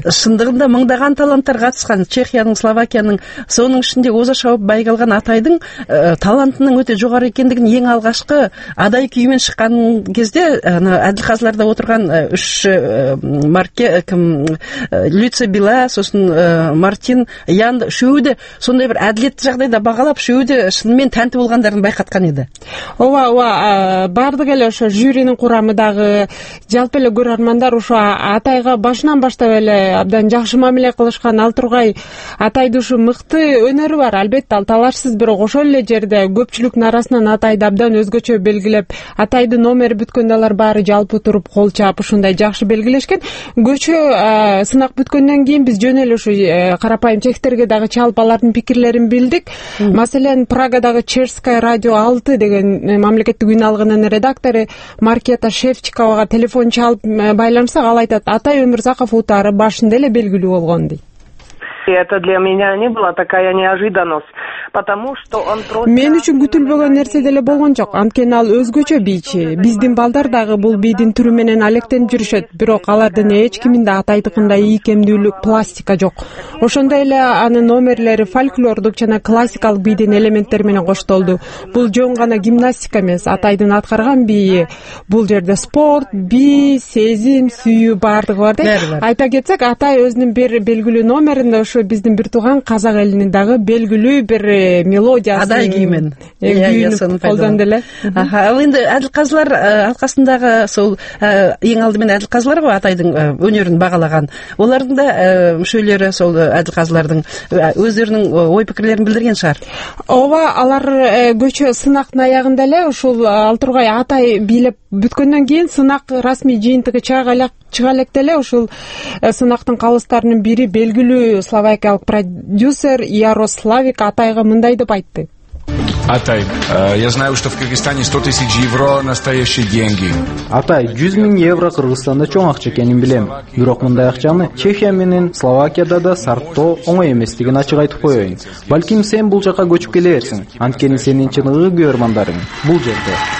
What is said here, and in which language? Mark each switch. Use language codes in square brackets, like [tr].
[kk] Шындығында мыңдаған таланттар қатысқан Чехияның, Словакияның, соның ішінде оза шауып байғалған Атайдың талантының өте жоғары екендігін ең алғашқы адай күйімен шыққан кезде әділ қазыларда отырған үш марке, Люци Била, сосын Мартин Ян шөуді сондай бір әділетті жағдайда бағалап, шөуді шынымен тәнті болғандарын байқатқан еді. Ова, барлық жүрінің құрамыдағы жалпы [ky] эле көрөрмандар ушу атайга башынан баштап эле абдан жакшы мамиле кылышкан ал тургай атайды ушу мыкты өнөрү бар. Албетте ал талашсыз, бирок ошол эле жерде көпчүлүктүн арасынан атайды абдан өзгөчө белгилеп, атайды номери бүткөндө алар баары жалпы туруп кол чаап ушундай жакшы белгилешкен. Көчө сынак бүткөндөн кийин биз жөн эле ушу карапайым чектерге дагы чалып алардын пикирлерин билдик. Маселен, Прагадагы Чешская радио 6 деген мамлекеттик үн алгынын редактору Маркета Шевчикова телефон чалып байланышсак, ал айтат, атай Өмүрзаков утары башында эле белгилүү болгон дейт. [ru] Это для меня не была такая неожиданность, потому что он просто... [ky] Мен үчүн күтүлбөгөн нерсе деле болгон жок, анткени ал өзгөчө бийчи. Биздин балдар дагы бул бийдин түрү менен алектенип жүрүшөт, бирок алардын эч кимдин атайдыкындай ийкемдүүлүк пластика жок. Ошондой эле анын номерлери фольклордук жана классикалык бийдин элементтери менен коштолду. Бул жөн гана гимнастика эмес, атайдын аткарган бийи. Бул жерде спорт, бий, сезим, сүйүү баардыгы бар дейт. Айта кетсек, атай өзүнүн бир белгилүү номеринде ошо биздин бир тууган казак элинин дагы белгилүү бир мелодиясын адай күйүмөн күйүн колдонду эле. Ал энди Адилказылар алкасындагы ошол эң алдымен Адилказылар го атайдын өнөрүн баалаган. Алардын да мүшөлөрү ошол Адилказылардын өздөрүнүн ой пикирлерин билдирген шаар. Ооба, алар көчө сынактын аягында эле ушул ал тургай атай бийлеп бүткөндөн кийин сынак расмий жыйынтыгы чыга электе эле ушул сынактын калыстарынын бири белгилүү словакиялык продюсер Ярославик атайга мындай деп айтты. [ru] Атай, я знаю, что в Кыргызстане 100 тысяч евро настоящие деньги. [ky] Атай, 100 000 евро Кыргызстанда чоң акча экенин билем. Бирок мындай акчаны Чехия менен Словакияда да сарптоо оңой эместигин ачык айтып коеюн. Балким сен бул жака көчүп келе берсин, анткени сенин чыныгы көрөрмандарың бул жерде.